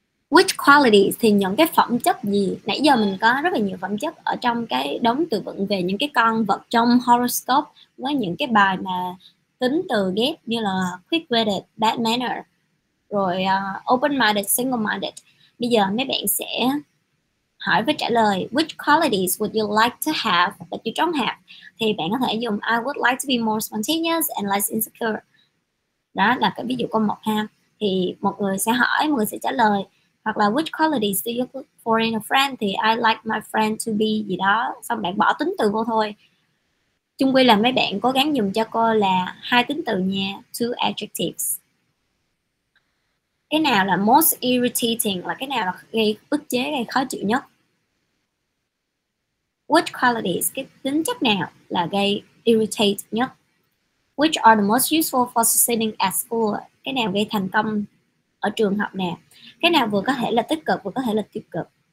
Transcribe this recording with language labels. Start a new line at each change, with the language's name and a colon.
English: Which qualities?
Vietnamese: Thì những cái phẩm chất gì? Nãy giờ mình có rất là nhiều phẩm chất ở trong cái đống từ vựng về những cái con vật trong horoscope, với những cái bài mà tính từ ghép như là
English: quick-witted, bad manner,
Vietnamese: rồi
English: open-minded, single-minded.
Vietnamese: Bây giờ mấy bạn sẽ hỏi với trả lời
English: which qualities would you like to have but you don't have.
Vietnamese: Thì bạn có thể dùng
English: I would like to be more spontaneous and less insecure.
Vietnamese: Đó là cái ví dụ câu 1 ha. Thì một người sẽ hỏi, một người sẽ trả lời. Hoặc là
English: which qualities do you look for in a friend?
Vietnamese: Thì
English: I like my friend to be
Vietnamese: gì đó. Xong bạn bỏ tính từ vô thôi. Chung quy là mấy bạn cố gắng dùng cho cô là hai tính từ nha,
English: two adjectives.
Vietnamese: Cái nào là
English: most irritating,
Vietnamese: là cái nào là gây bức chế, gây khó chịu nhất?
English: Which qualities,
Vietnamese: cái tính chất nào là gây irritate nhất?
English: Which are the most useful for succeeding at school?
Vietnamese: Cái nào gây thành công ở trường học nè? Cái nào vừa có thể là tích cực, vừa có thể là tiêu cực?